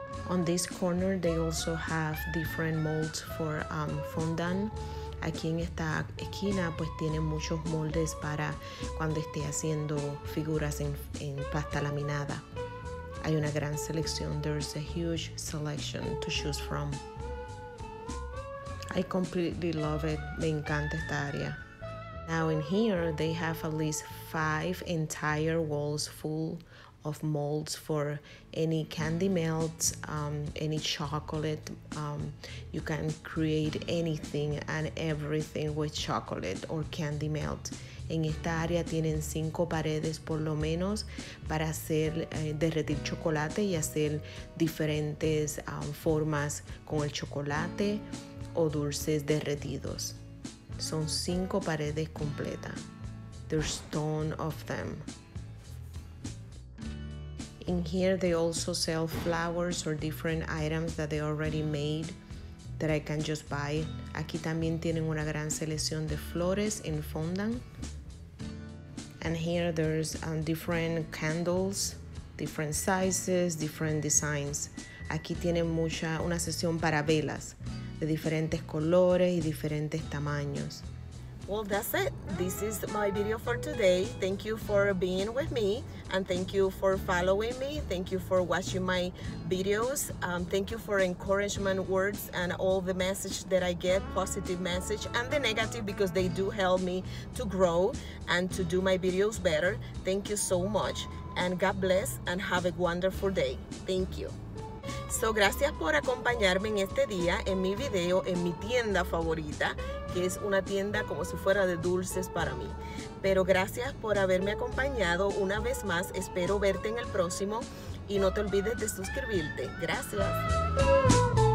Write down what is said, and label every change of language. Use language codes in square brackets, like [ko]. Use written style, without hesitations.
[en] On this corner, they also have different molds for fondant. [es] Aquí en esta esquina, pues tienen muchos moldes para cuando esté haciendo figuras en pasta laminada. Hay una gran selección. [en] There's a huge selection to choose from. I completely love it. [es] Me encanta esta área. [en] Now in here, they have at least 5 entire walls full of molds for any candy melts, any chocolate. You can create anything and everything with chocolate or candy melt. [es] En esta área tienen 5 paredes por lo menos para hacer derretir chocolate y hacer diferentes formas con el chocolate o dulces derretidos. Son 5 paredes completas. [en] There's ton of them. In here, they also sell flowers or different items that they already made that I can just buy. [es] Aquí también tienen una gran selección de flores en fondant. [en] And here, there's different candles, different sizes, different designs. [es] Aquí tienen una sesión para velas de diferentes colores y diferentes tamaños. [en] Well, that's it. This is my video for today. Thank you for being with me, and thank you for following me. Thank you for watching my videos. Thank you for encouragement words and all the message that I get, positive message and the negative, because they do help me to grow and to do my videos better. Thank you so much, and God bless, and have a wonderful day. Thank you. [es] So, gracias por acompañarme en este día, en mi video, en mi tienda favorita, que es una tienda como si fuera de dulces para mí. Pero gracias por haberme acompañado una vez más. Espero verte en el próximo y no te olvides de suscribirte. Gracias.